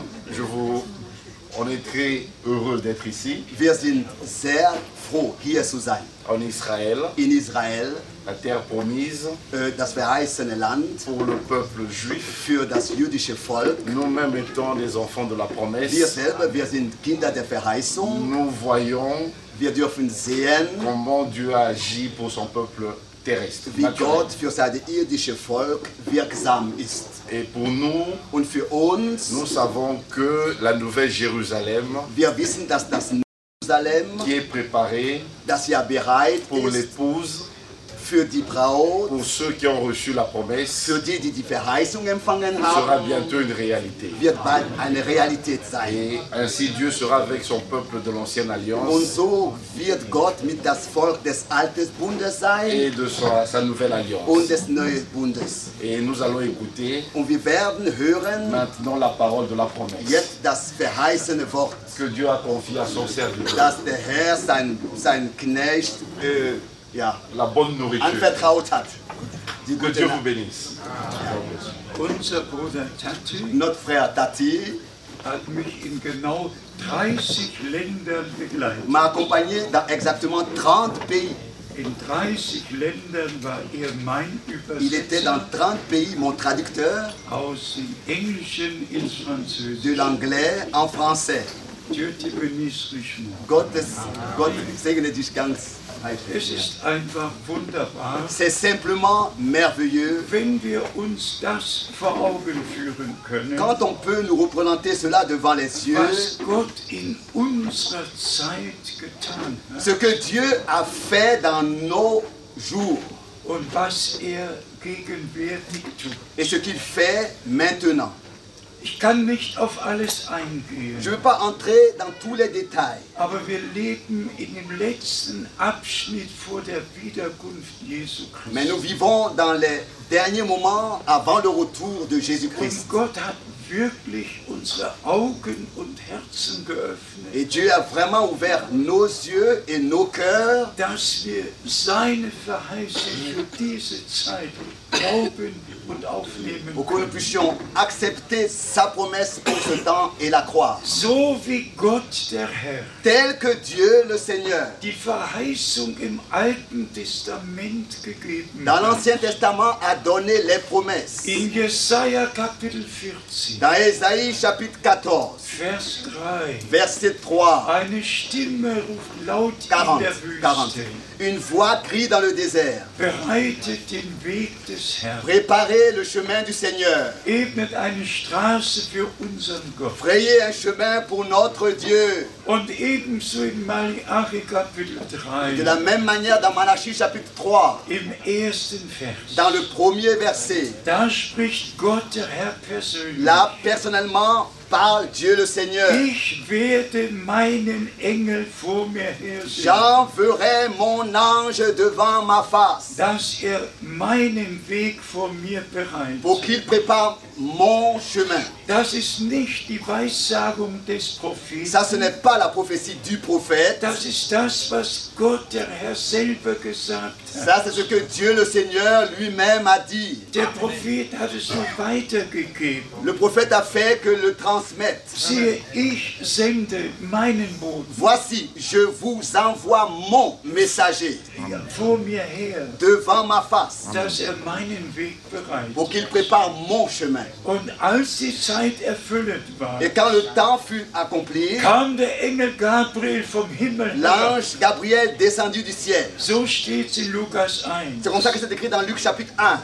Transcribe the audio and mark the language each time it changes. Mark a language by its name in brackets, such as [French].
[French] Je vous, on est très heureux d'être ici. [German] Wir sind sehr froh hier zu sein. [French] En Israël. [German] In Israel. [French] La terre promise. [German] Das verheißene Land. [French] Pour le peuple juif. [German] Für das jüdische Volk. [French] Nous-mêmes étant des enfants de la promesse. [German] Wir selber, wir sind Kinder der Verheißung. [French] Nous voyons. [German] Wir dürfen sehen. [French] Comment Dieu agit pour son peuple. [German] Wie Gott für sein irdisches Volk wirksam ist. [French] Et pour nous, [German] und für uns, [French] nous savons que la nouvelle Jérusalem, [German] wir wissen, dass das Jerusalem, [French] qui est préparé, [German] das ja bereit [French] pour [German] ist, [French] l'épouse, [German] für die Braut, [French] pour ceux qui ont reçu la promesse, [German] für die, die die Verheißung empfangen haben, [French] sera bientôt une réalité. [German] Wird bald eine Realität sein. [French] Et ainsi Dieu sera avec son peuple de l'ancienne alliance. [German] Und so wird Gott mit das Volk des alten Bundes sein. [French] Et de sa nouvelle alliance. [German] Und des neuen Bundes. [French] Et nous allons écouter. [German] Und wir werden hören. [French] Maintenant la parole de la promesse. [German] Jetzt das verheißene Wort. [French] Que Dieu a confié à son serviteur. [German] Dass der Herr sein Knecht. Ja, [French] la bonne nourriture. [German] Anvertraut hat. [French] Die que Dieu vous bénisse. [German] Unser Bruder Tati, [French] notre frère Tati, [German] hat mich in genau 30 Ländern begleitet. [French] M'a accompagné dans exactement 30 pays. [German] In 30 Ländern war mein Übersetzer. [French] Il était dans 30 pays mon traducteur. [German] Aus dem Englischen ins Französische. [French] De l'anglais en français. [German] Dieu te bénisse richement. [French] Gott segne dich ganz. [German] Es ist einfach wunderbar. [French] C'est simplement merveilleux. [German] Wenn wir uns das vor Augen führen können. [French] Quand on peut nous représenter cela devant les yeux. [German] Was Gott in unserer Zeit getan hat. [French] Ce que Dieu a fait dans nos jours. [German] Und was gegenwärtig tut. [French] Et ce qu'il fait maintenant. [German] Ich kann nicht auf alles eingehen. [French] Je ne veux pas entrer dans tous les détails. [German] Aber wir leben in dem letzten Abschnitt vor der Wiederkunft Jesu Christi. [French] Mais nous vivons dans les derniers moments avant le retour de Jésus-Christ. [German] Und Gott hat wirklich unsere Augen und Herzen geöffnet. [French] Et Dieu a vraiment ouvert nos yeux et nos cœurs. [German] Dass wir seine Verheißung für diese Zeit glauben. [French] Pour que nous puissions accepter sa promesse pour ce temps et la croire. [German] So wie Gott der Herr, [French] tel que Dieu le Seigneur, [German] die Verheißung im Alten Testament gegeben [French] dans l'Ancien Testament a donné les promesses. [German] In Jesaja Kapitel 14, [French] dans Esaïe chapitre 14, [German] Vers 3, [French] verset 3, [German] eine Stimme ruft laut 40, in der Wüste. 40. [French] Une voix crie dans le désert. [German] Bereitet den Weg des Herrn. [French] Préparez le chemin du Seigneur. [German] Ebnet eine Straße für unseren Gott. [French] Frayez un chemin pour notre Dieu. [German] Und ebenso in Malachi Kapitel 3. [French] De la même manière dans Malachi chapitre 3. [German] Im ersten Vers. [French] Dans le premier verset. [German] Da spricht Gott der Herr persönlich. [French] Là, personnellement, parle Dieu le Seigneur. [German] Ich werde meinen Engel vor mir her. [French] J'en verrai mon ange devant ma face. [German] Dass meinen Weg vor mir bereitet. [French] Pour qu'il prépare mon chemin. [German] Das ist nicht die Weissagung des Propheten. [French] Ça, ce n'est pas la prophétie du prophète. [German] Das ist das, was Gott der Herr selber gesagt hat. [French] Ça, c'est ce que Dieu le Seigneur lui-même a dit. [German] Der Prophet hat es noch weitergegeben. [French] Le prophète a fait que le transmettre. [German] Siehe, ich sende meinen Boden. [French] Voici, je vous envoie mon messager. [German] Vor mir her. [French] Devant ma face. [German] Dass meinen Weg bereitet. [French] Pour qu'il prépare mon chemin. [German] Und als die Zeit erfüllt war. [French] Et quand le temps fut accompli. [German] Kam der Engel Gabriel vom Himmel. [French] L'ange Gabriel descendu du ciel. [German] So steht in Lukas 1. [French] C'est comme ça que c'est écrit dans Luc chapitre 1.